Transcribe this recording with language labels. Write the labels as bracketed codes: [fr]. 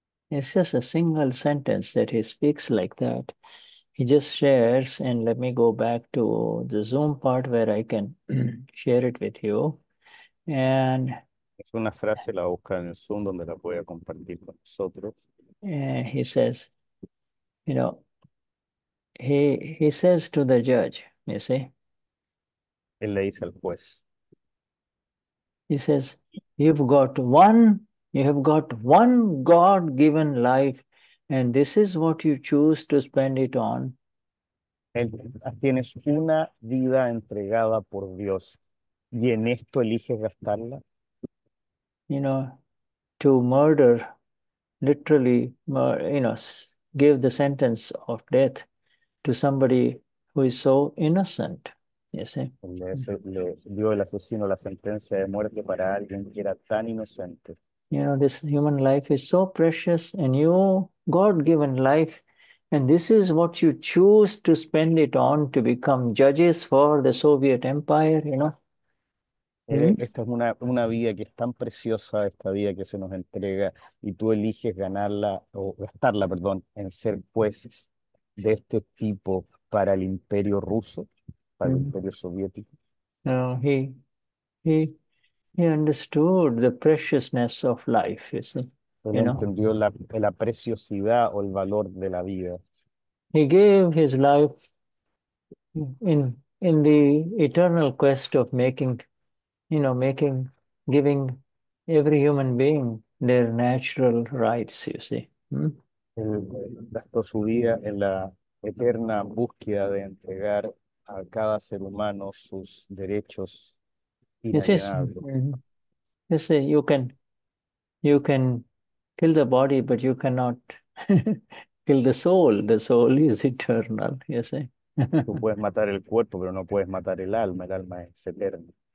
[en] It's just a single sentence that he speaks like that. He just shares, and let me go back to the Zoom part where I can share it with you. And [es] Es una frase, la busca en el Zoom donde la voy a compartir con nosotros. [en] He says, you know, he says to the judge, you see. [es] Él le dice al juez. [en] He says, you have got one God-given life, and this is what you choose to spend it on. [es] Él tiene una vida entregada por Dios, y en esto eliges gastarla. [en] You know, to murder, literally, you know, give the sentence of death to somebody who is so innocent, you see. [es] Le dio el asesino la sentencia de muerte para alguien que era tan inocente. [en] You know, this human life is so precious, and you, God-given life, and this is what you choose to spend it on, to become judges for the Soviet Empire, you know. [es] Esta es una vida que es tan preciosa, esta vida que se nos entrega, y tú eliges ganarla o gastarla, perdón, en ser juez de este tipo para el imperio ruso, para el imperio soviético. [en] No, he understood the preciousness of life, you see. [es] Él [en] You know? [es] Entendió la preciosidad o el valor de la vida. [en] He gave his life in the eternal quest of making, you know, making, giving every human being their natural rights, you see. [es] Gastó su vida en la eterna búsqueda de entregar a cada ser humano sus derechos [en] This is [es] inalienables. [en] You see, you can kill the body, but you cannot kill the soul. The soul is eternal, you see. [es] Tú puedes matar el cuerpo, pero no puedes matar el alma es eterna.